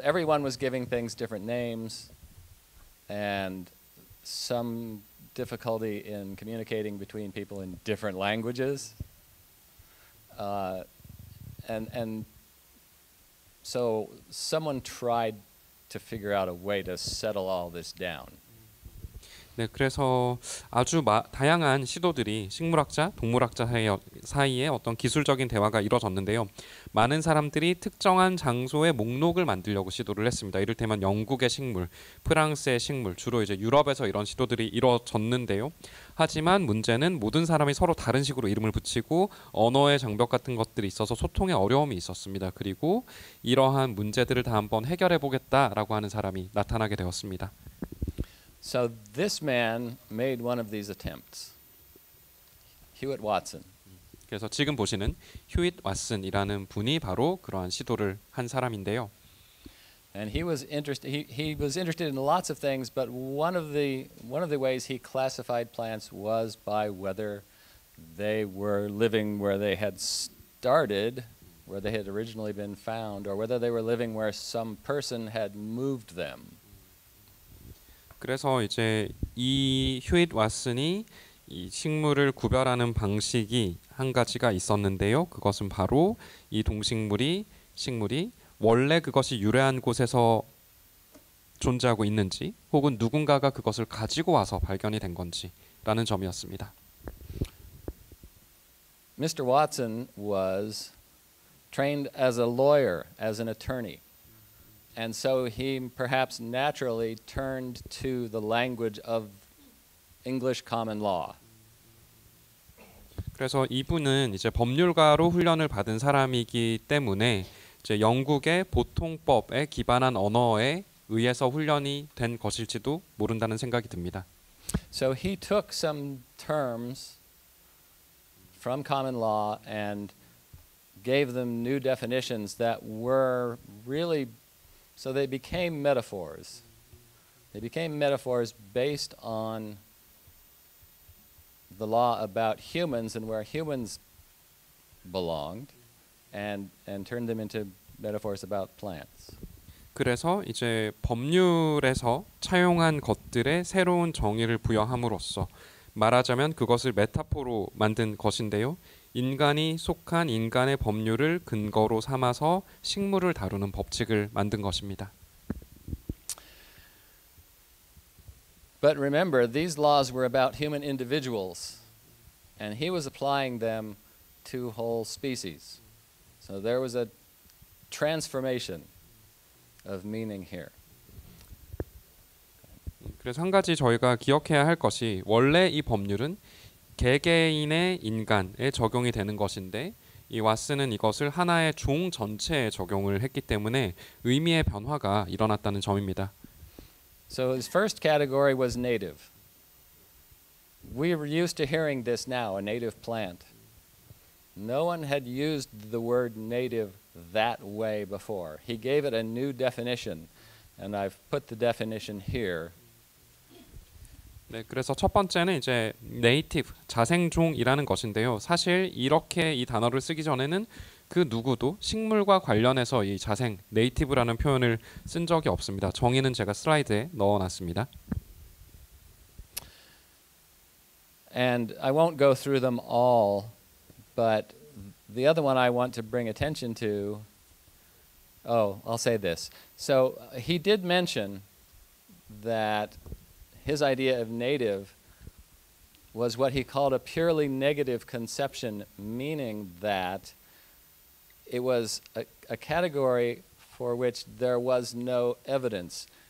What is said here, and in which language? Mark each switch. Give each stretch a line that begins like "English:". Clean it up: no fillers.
English: Everyone was giving things different names and some difficulty in communicating between people in different languages. And so someone tried to figure out a way to settle all this down.
Korean: 네, 그래서 아주 다양한 시도들이 식물학자, 동물학자 사이에 어떤 기술적인 대화가 이루어졌는데요. 많은 사람들이 특정한 장소에 목록을 만들려고 시도를 했습니다. 이를테면 영국의 식물, 프랑스의 식물, 주로 이제 유럽에서 이런 시도들이 이루어졌는데요. 하지만 문제는 모든 사람이 서로 다른 식으로 이름을 붙이고 언어의 장벽 같은 것들이 있어서 소통에 어려움이 있었습니다. 그리고 이러한 문제들을 다 한번 해결해보겠다라고 하는 사람이 나타나게 되었습니다.
English: So this man made one of these attempts. Hewitt Watson.
Korean: 그래서 지금 보시는 휴잇 왓슨이라는 분이 바로 그러한 시도를 한 사람인데요.
English: And he was interested in lots of things, but one of the ways he classified plants was by whether they were living where they had started, where they had originally been found, or whether they were living where some person had moved them.
Korean: 그래서 이제 이 휴잇 왓슨이 이 식물을 구별하는 방식이 한 가지가 있었는데요. 그것은 바로 이 동식물이 식물이 원래 그것이 유래한 곳에서 존재하고 있는지 혹은 누군가가 그것을 가지고 와서 발견이 된 건지라는 점이었습니다.
English: Mr. Watson was trained as a lawyer, as an attorney. And so he perhaps naturally turned to the language of English common law.
Korean: 그래서 이분은 이제 법률가로 훈련을 받은 사람이기 때문에 이제 영국의 보통법에 기반한 언어에 의해서 훈련이 된 것일지도 모른다는 생각이 듭니다.
English: So he took some terms from common law and gave them new definitions that were really so they became metaphors. They became metaphors based on the law about humans and where humans belonged and turned them into metaphors about plants.
Korean: 그래서 이제 법률에서 차용한 것들의 새로운 정의를 부여함으로써 말하자면 그것을 메타포로 만든 것인데요. 인간이 속한 인간의 법률을 근거로 삼아서 식물을 다루는 법칙을 만든 것입니다.
English: But remember, these laws were about human individuals, and he was applying them to whole species. So there was a transformation of meaning here.
Korean: 그래서 한 가지 저희가 기억해야 할 것이 원래 이 법률은 개개인의 인간에 적용이 되는 것인데 이 왓슨은 이것을 하나의 종 전체에 적용을 했기 때문에 의미의 변화가 일어났다는 점입니다.
English: So his first category was native. We are used to hearing this now, a native plant. No one had used the word native that way before. He gave it a new definition, and I've put the definition here.
Korean: 네, 그래서 첫 번째는 이제 네이티브, 자생종이라는 것인데요. 사실 이렇게 이 단어를 쓰기 전에는 그 누구도 식물과 관련해서 이 자생, 네이티브라는 표현을 쓴 적이 없습니다. 정의는 제가 슬라이드에 넣어놨습니다.
English: And I won't go through them all, but the other one I want to bring attention to, oh, I'll say this. So he did mention that his idea of native was what he called a purely negative conception, meaning that it was a category for which there was no evidence.